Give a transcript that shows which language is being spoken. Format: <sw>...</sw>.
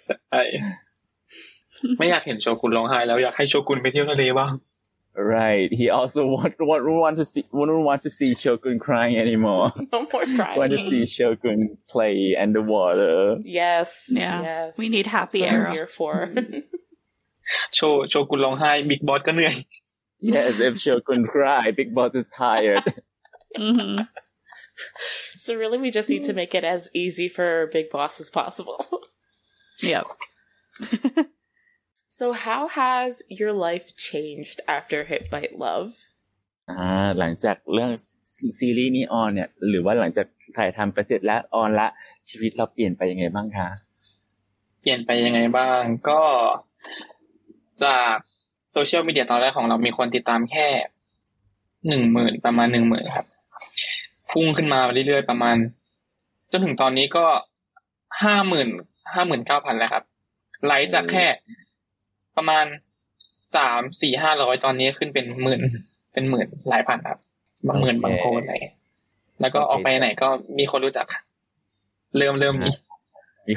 <en>Right. He also wouldn't want to see Shogun crying anymore. No more crying. Want to see Shogun play in the water. Yes. Yeah. Yes. We need happy air here for. Shogun long high, Big Boss</en> <th>ก็เหนื่อย</th> <en>Yes, if Shogun cry, Big Boss is tired. Mm-hmm. So really, we just need to make it as easy for Big Boss as possible. Yep. So how has your life changed after Hit Bite Love?</en> <th>หลังจากเรื่องซีรีส์นี้ออนเนี่ยหรือว่าหลังจากถ่ายทำไปเสร็จแล้วออนละชีวิตเราเปลี่ยนไปยังไงบ้างคะ เปลี่ยนไปยังไงบ้างก็จากโซเชียลมีเดียตอนแรกของเรามีคนติดตามแค่10,000ประมาณ10,000ครับพุ่งขึ้นมาเรื่อยๆประมาณจนถึงตอนนี้ก็50,000-59,000แล้วครับไลค์จากแค่ประมาณ300-400ตอนนี้ขึ้นเป็นหมื่นหลายพันครับบางหมื่นบางคนอะไรแล้วก็ออกไปไหนก็มีคนรู้จักเริ่มมี</th>